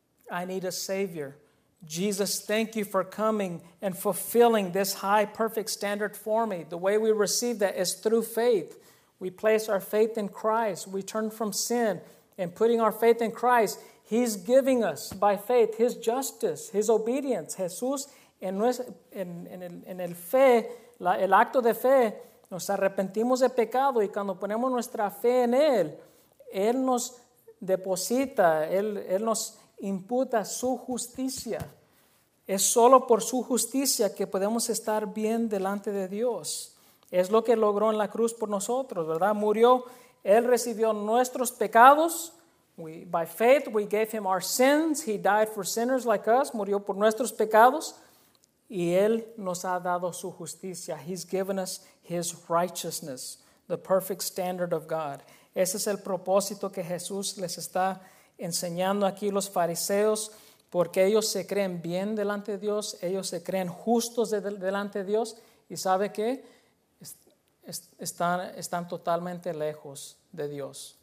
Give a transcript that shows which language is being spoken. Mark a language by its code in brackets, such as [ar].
[en] I need a savior. Jesus, thank you for coming and fulfilling this high, perfect standard for me. The way we receive that is through faith. We place our faith in Christ. We turn from sin and putting our faith in Christ. He's giving us, by faith, his justice, his obedience. [es] Jesús, en el fe, el acto de fe, nos arrepentimos de pecado y cuando ponemos nuestra fe en Él, Él nos deposita, Él nos imputa su justicia. Es solo por su justicia que podemos estar bien delante de Dios. Es lo que logró en la cruz por nosotros, ¿verdad? Murió, Él recibió nuestros pecados. [en] By faith we gave Him our sins. He died for sinners like us. [es] Murió por nuestros pecados. Y Él nos ha dado su justicia. [en] He's given us His righteousness, the perfect standard of God. [es] Ese es el propósito que Jesús les está enseñando aquí a los fariseos, porque ellos se creen bien delante de Dios, ellos se creen justos delante de Dios, y ¿sabe qué? Están totalmente lejos de Dios.